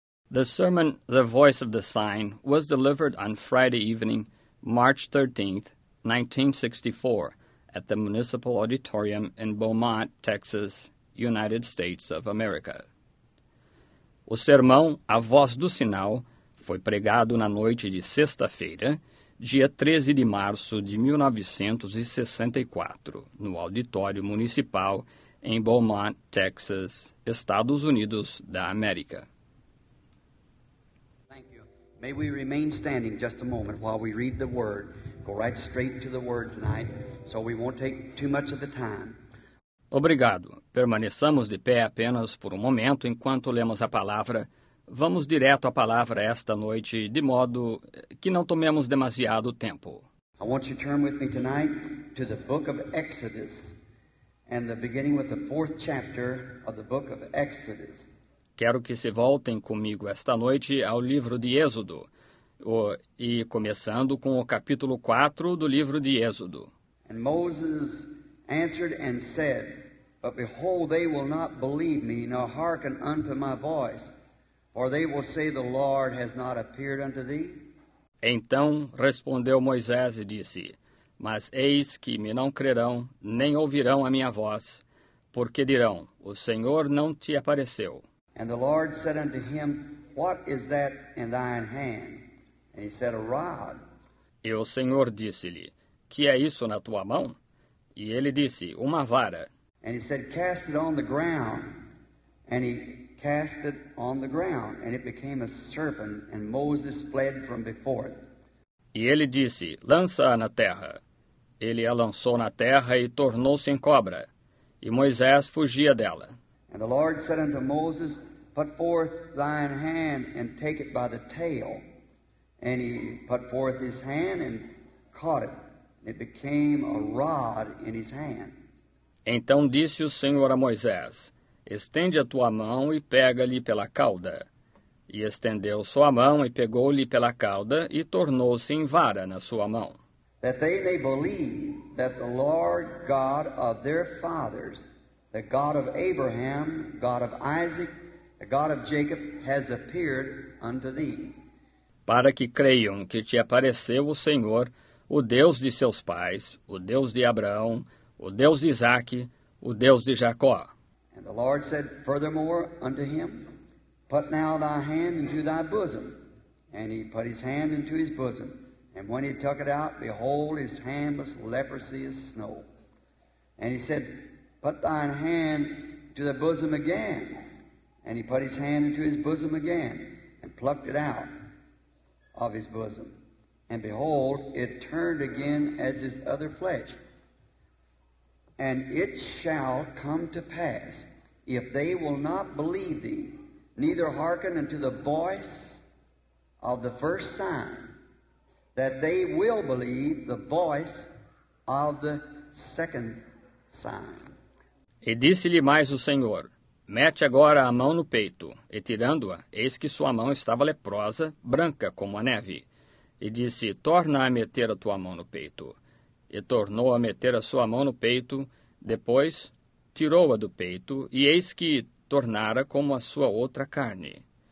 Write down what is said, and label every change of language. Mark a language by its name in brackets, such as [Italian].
[English] The sermon, The Voice of the Sign, was delivered on Friday evening, March 13, 1964, at the Municipal Auditorium in Beaumont, Texas, United States of America. [Portuguese] O sermão, A Voz do Sinal, foi pregado na noite de sexta-feira, dia 13 de março de 1964, no Auditório Municipal em Beaumont, Texas, Estados Unidos da América. [English] May we remain standing just a moment while we read the word. Go right straight to the word tonight, so we won't take too much of the time. [Portuguese] Obrigado. Permaneçamos de pé apenas por um momento enquanto lemos a palavra. Vamos direto à palavra esta noite, de modo que não tomemos demasiado tempo. [English] I want you to turn with me tonight to the book of Exodus, and the beginning with the fourth chapter of the book of Exodus. [Portuguese] Quero que se voltem comigo esta noite ao livro de Êxodo, e começando com o capítulo 4 do livro de Êxodo. [English] And Moses answered and said, But behold, they will not believe me, nor hearken unto my voice, for they will say, The Lord has not appeared unto thee. [Portuguese] Então respondeu Moisés e disse, Mas eis que me não crerão, nem ouvirão a minha voz, porque dirão, O Senhor não te apareceu. [English] And the Lord said unto him, What is that in thine hand? And he said, A rod. [Portuguese] E o Senhor disse-lhe, Que é isso na tua mão? E ele disse, Uma vara. [English] And he said, Cast it on the ground. And he cast it on the ground. And it became a serpent. And Moses fled from before it. [Portuguese] E ele disse, Lança-a na terra. Ele a lançou na terra e tornou-se em cobra. E Moisés fugia dela. [English] And the Lord said unto Moses, Put forth thine hand, and take it by the tail. And he put forth his hand, and caught it. It became a rod in his hand. [Portuguese] Então disse o Senhor a Moisés, Estende a tua mão e pega-lhe pela cauda. E estendeu sua mão e pegou-lhe pela cauda, e tornou-se em vara na sua mão. [English] That they may believe that the Lord God of their fathers The God of Abraham, God of Isaac, the God of Jacob has appeared unto thee. [Portuguese] Para que creiam que te apareceu o Senhor, o Deus de seus pais, o Deus de Abraão, o Deus de Isaque, o Deus de Jacó. [English] And the Lord said furthermore unto him, Put now thy hand into thy bosom. And he put his hand into his bosom. And when he took it out, behold, his hand was leprosy as snow. And he said, Put thine hand to the bosom again. And he put his hand into his bosom again, and plucked it out of his bosom. And behold, it turned again as his other flesh. And it shall come to pass, if they will not believe thee, neither hearken unto the voice of the first sign, that they will believe the voice of the second sign. [Portuguese] E disse-lhe mais o Senhor, Mete agora a mão no peito, e tirando-a, eis que sua mão estava leprosa, branca como a neve. E disse, Torna a meter a tua mão no peito. E tornou a meter a sua mão no peito, depois tirou-a do peito, e eis que tornara como a sua outra carne.